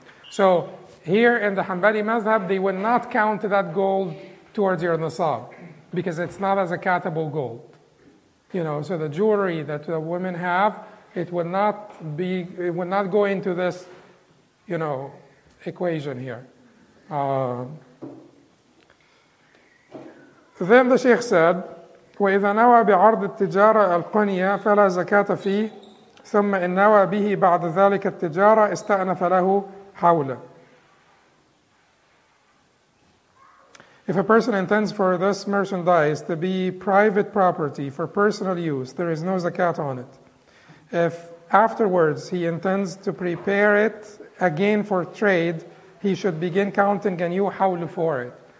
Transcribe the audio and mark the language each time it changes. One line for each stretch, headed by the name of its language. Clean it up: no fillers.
English: So here in the Hanbali Mazhab, they would not count that gold towards your nisab because it's not a zakatable gold. You know, so the jewelry that the women have, it would not go into this, you know, equation here. Then the sheikh said,
Arabic: وَإِذَا نَوَى بِعَرْضِ التِّجَارَةِ الْقُنِيَةِ فَلَا زَكَاةَ فِيهِ ثُمَّ إِنْ نَوَى بِهِ بَعْدَ ذَلِكَ التِّجَارَةِ اسْتَأْنَفَ لَهُ حَوْلًا.
English: If a person intends for this merchandise to be private property for personal use, there is no zakat on it. If afterwards he intends to prepare it again for trade, he should begin counting a new hawl for it.